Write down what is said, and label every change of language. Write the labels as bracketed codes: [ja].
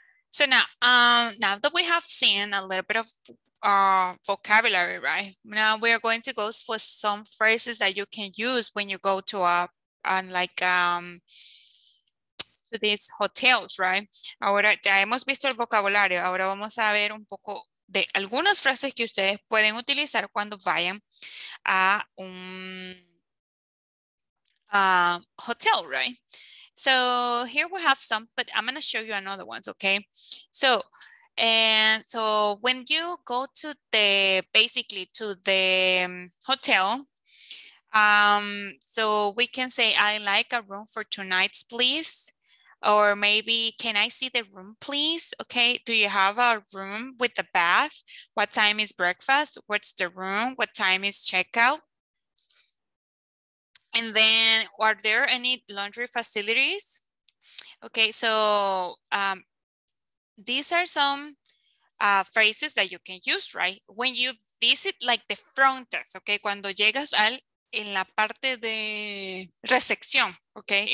[en] So now, now that we have seen a little bit of vocabulary, right? Now we are going to go for some phrases that you can use when you go to a to these hotels, right? [es] Ahora ya hemos visto el vocabulario. Ahora vamos a ver un poco de algunas frases que ustedes pueden utilizar cuando vayan a un hotel, right? [en] So here we have some, but I'm going to show you another ones, okay? So, and so when you go to the, basically to the hotel, so we can say, I like a room for two nights, please. Or maybe, can I see the room, please? Okay, do you have a room with a bath? What time is breakfast? What's the room? What time is checkout? And then, are there any laundry facilities? Okay, so these are some phrases that you can use, right? When you visit like the front desk, okay? [es] Cuando llegas al en la parte de recepción, okay?